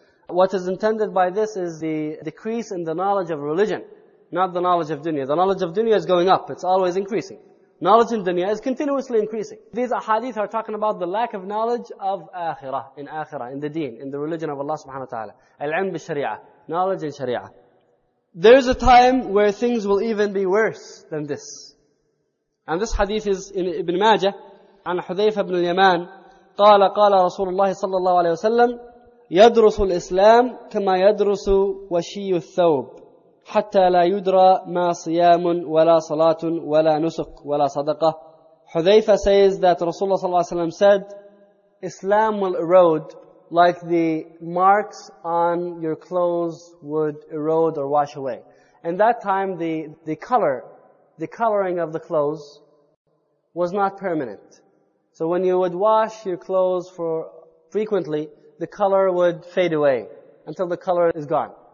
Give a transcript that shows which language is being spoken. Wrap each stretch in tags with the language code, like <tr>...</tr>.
<en>What is intended by this is the decrease in the knowledge of religion, not the knowledge of dunya. The knowledge of dunya is going up, it's always increasing. Knowledge in dunya is continuously increasing. These ahadith are talking about the lack of knowledge of akhirah, in the deen, in the religion of Allah subhanahu wa ta'ala. Al-ilm bi-shari'ah, knowledge in sharia. There is a time where things will even be worse than this. And this hadith is in Ibn Majah,</en> <ar>عن حذيفة بن اليمان قال قال رسول الله صلى الله عليه وسلم يدرس الإسلام كما يدرس وشي الثوب حتى لا يدرى ما صيام ولا صلاة ولا نسك ولا صدقة.</ar> <en>حذيفة says that</en> <ar>رسول الله صلى الله عليه وسلم</ar> <en>said Islam will erode like the marks on your clothes would erode or wash away. And that time, the coloring of the clothes was not permanent. So when you would wash your clothes for frequently, the color would fade away until the color is gone.</en>